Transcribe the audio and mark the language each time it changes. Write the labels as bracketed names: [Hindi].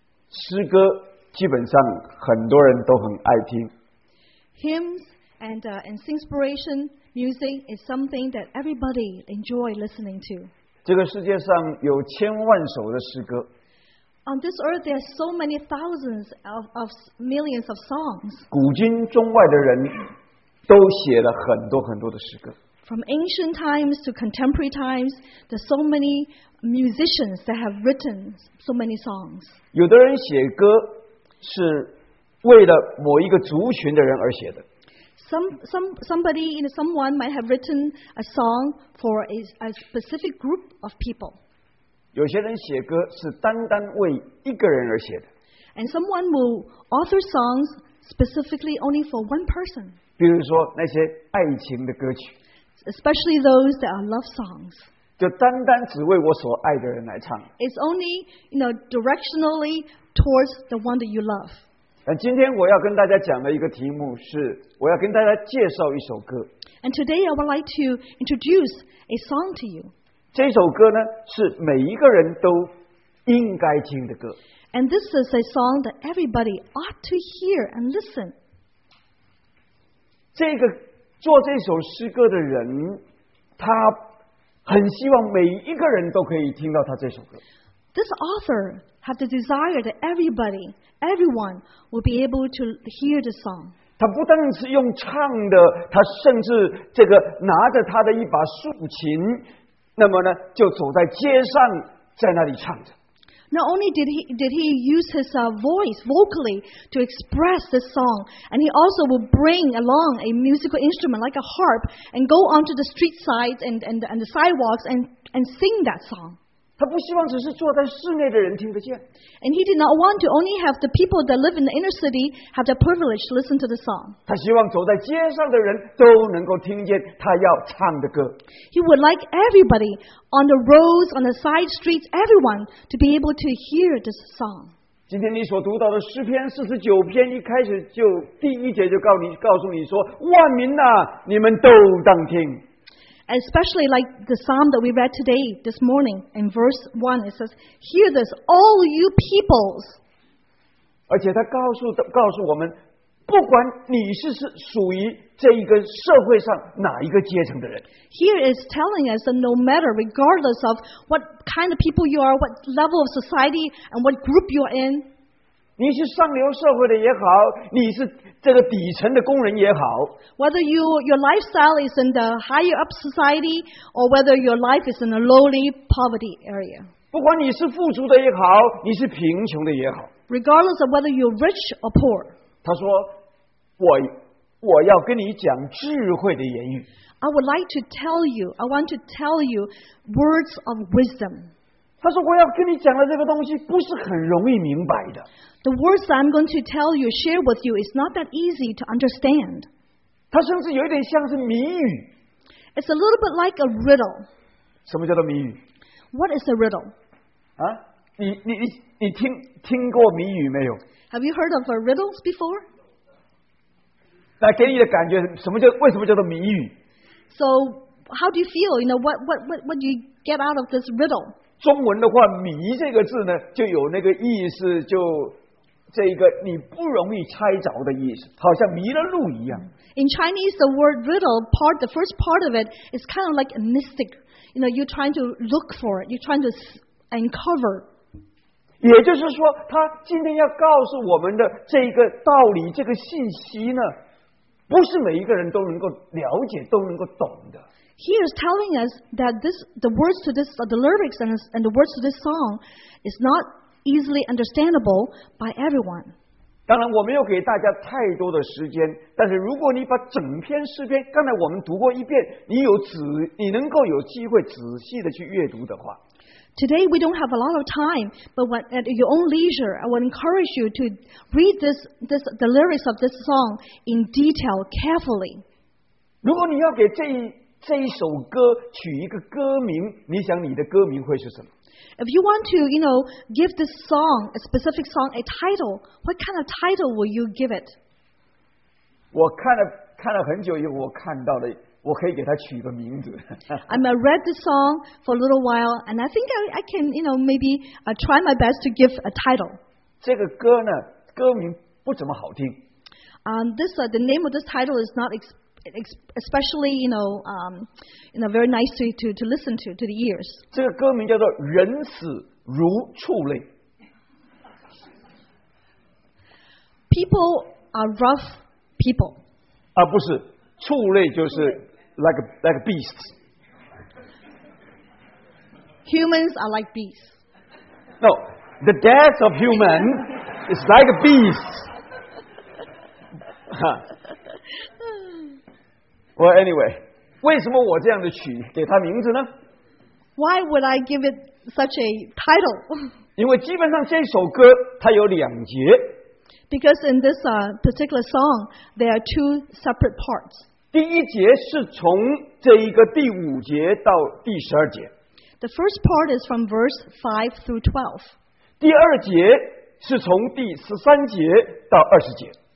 [Chinese] 诗歌基本上很多人都很爱听。 [English] Hymns and inspiration music is something that everybody enjoy listening to. [Chinese] 这个世界上有千万首的诗歌。 [English] On this earth, there are so many thousands of millions of songs. [Chinese] 古今中外的人都写了很多很多的诗歌。 [English] From ancient times to contemporary times, there are so many musicians that have written so many songs. [Chinese] 有的人写歌是为了某一个族群的人而写的。 [English] Someone might have written a song for a specific group of people. [Chinese] 有些人写歌是单单为一个人而写的。 [English] And someone will author songs specifically only for one person. [Chinese] 比如说那些爱情的歌曲。 [English] Especially those that are love songs. [Chinese] 就单单只为我所爱的人来唱。 [English] It's only, you know, directionally towards the one that you love. [Chinese] 今天我要跟大家讲的一个题目是我要跟大家介绍一首歌。 [English] And today I would like to introduce a song to you. [Chinese] 这首歌呢是每一个人都应该听的歌。 [English] And this is a song that everybody ought to hear and listen. [Chinese] 这个做这首诗歌的人他很希望每一个人都可以听到他这首歌。 [English] This author had the desire that everyone will be able to hear the song. [Chinese] 他不单是用唱的，他甚至这个拿着他的一把竖琴，那么呢，就走在街上，在那里唱着。 [English] Not only did he use his voice vocally to express the song, and he also will bring along a musical instrument like a harp and go onto the street sides and the sidewalks and sing that song. [Chinese] 他不希望只是坐在室内的人听得见。 [English] And he did not want to only have the people that live in the inner city have the privilege to listen to the song. [Chinese] 他希望走在街上的人都能够听见他要唱的歌。 [English] He would like everybody on the roads, on the side streets, everyone to be able to hear this song. [Chinese] 今天你所读到的诗篇四十九篇一开始就第一节就告诉你说，万民啊，你们都当听。 [English] Especially like the psalm that we read today, this morning, in verse 1, it says, Hear this, all you peoples. [Chinese] 而且他告诉我们，不管你是属于这一个社会上哪一个阶层的人。 [English] Here is telling us that no matter, regardless of what kind of people you are, what level of society and what group you're in, [Chinese] 你是上流社会的也好，你是这个底层的工人也好。 [English] Whether your lifestyle is in the higher up society or whether your life is in a lowly poverty area. [Chinese] 不管你是富足的也好，你是贫穷的也好。 [English] Regardless of whether you're rich or poor. [Chinese] 他说，我要跟你讲智慧的言语。 [English] I would like to tell you, I want to tell you words of wisdom. [Chinese] 他说，我要跟你讲的这个东西不是很容易明白的。 [English] The words that I'm going to tell you, share with you, is not that easy to understand. [Chinese] 它甚至有点像是谜语。 [English] It's a little bit like a riddle. [Chinese] 什么叫做谜语？ [English] What is a riddle? [Chinese] 啊，你听过谜语没有？ [English] Have you heard of riddles before? [Chinese] 那给你的感觉，为什么叫做谜语？ [English] So, how do you feel? You know, what do you get out of this riddle? [Chinese] 中文的话，谜这个字呢，就有那个意思，就这个你不容易猜着的意思，好像迷了路一样。 [English] In Chinese, the word riddle, part the first part of it is kind of like a mystic. You know, you're trying to look for it, you're trying to uncover. [Chinese] 也就是说，他今天要告诉我们的这个道理、这个信息呢，不是每一个人都能够了解、都能够懂的。 [English] He is telling us that the words to this, the lyrics and the words to this song, is not. Easily understandable by everyone. [Chinese] 当然，我没有给大家太多的时间。但是，如果你把整篇诗篇，刚才我们读过一遍，你能够有机会仔细的去阅读的话。 [English] Today we don't have a lot of time, but at your own leisure, I would encourage you to read the lyrics of this song in detail carefully. [Chinese] 如果你要给这一这一首歌取一个歌名，你想你的歌名会是什么？ [English] If you want to, you know, give this song, a specific song, a title, what kind of title will you give it? [Chinese] 我看了很久以后，我看到了，我可以给它取一个名字。 [English] I read the song for a little while, and I think I can, you know, maybe try my best to give a title. [Chinese] 这个歌呢，歌名不怎么好听。 [English] The name of this title is not especially, you know, very nice to listen to the ears. [Chinese] 这个歌名叫做《人死如畜类》。 [English] People are rough people. [Chinese] 啊，不是，畜类就是 [English] like beasts. Humans are like beasts. No, the death of human is like a beast. Well, anyway, [Chinese] 为什么我这样的取给他名字呢？ [English] Why would I give it such a title? [Chinese] 因为基本上这首歌它有两节。 [English] Because in this particular song, there are two separate parts. [Chinese] 第一节是从这一个第五节到第十二节。 [English] The first part is from verse 5 through 12. [Chinese] 第二节是从第十三节到二十节。